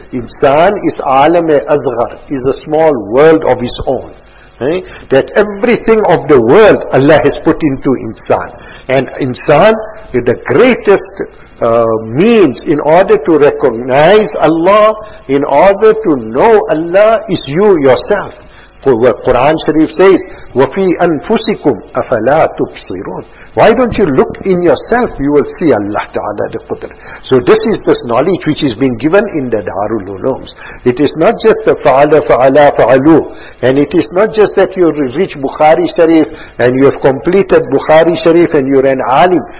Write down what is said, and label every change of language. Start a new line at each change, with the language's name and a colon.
English: Insan is alam-e-azghar, is a small world of his own. That everything of the world Allah has put into insan. And insan is the greatest means in order to recognize Allah, in order to know Allah, is you yourself. Quran Sharif says,
Arabic: وَفِي أَنفُسِكُمْ أَفَلَا تُبْصِرُونَ.
English: Why don't you look in yourself? You will see Allah Ta'ala the Qudr. So this is this knowledge which is being given in the Darul Ulooms. It is not just the fa'ala, fa'ala, fa'alu. And it is not just that you reach Bukhari Sharif and you have completed Bukhari Sharif and you are an alim.